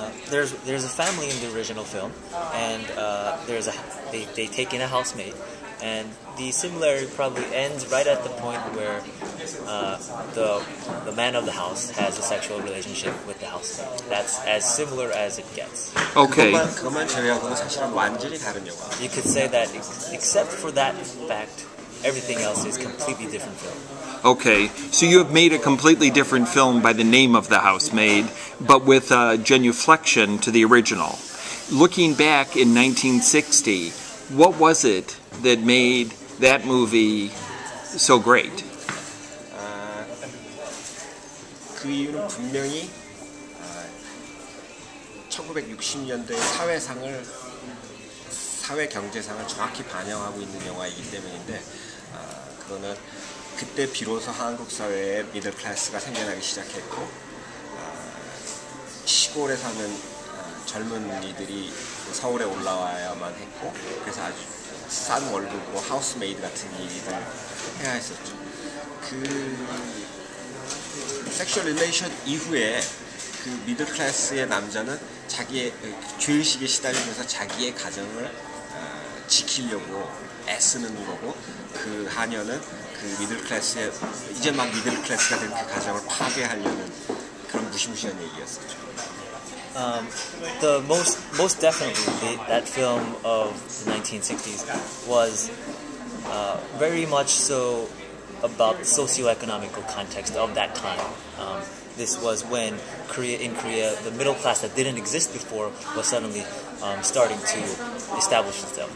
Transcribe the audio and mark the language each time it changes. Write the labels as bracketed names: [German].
[English] There's a family in the original film, and they take in a housemaid, and the similarity probably ends right at the point where the man of the house has a sexual relationship with the housemaid. That's as similar as it gets. Okay. [Korean] 그것만 제외하고는 사실은 완전히 다른 영화. [English] You could say that except for that fact, everything else is completely different film. Okay, so you have made a completely different film by the name of The Housemaid, but with a genuflection to the original. Looking back in 1960, what was it that made that movie so great? [Korean] 그 이유는 분명히 1960년대의 사회상을, 사회 경제상을 정확히 반영하고 있는 영화이기 때문인데, 그거는 그때 비로소 한국 사회에 미들 클래스가 생겨나기 시작했고 시골에 사는 젊은이들이 서울에 올라와야만 했고 그래서 아주 싼 월급으로 하우스메이드 같은 일을 해야 했었죠. 그 섹슈얼 릴레이션 이후에 그 미들 클래스의 남자는 자기의 죄의식에 시달리면서 자기의 가정을 지키려고 애쓰는 거고 그 하녀는 그 미들 클래스에 이제 막 미들 클래스가 된 그 가정을 파괴하려는 그런 무시무시한 얘기였었죠. [English] The most definitely that film of the 1960s was very much so about the socio-economical context of that time. This was when in Korea the middle class that didn't exist before was suddenly starting to establish itself.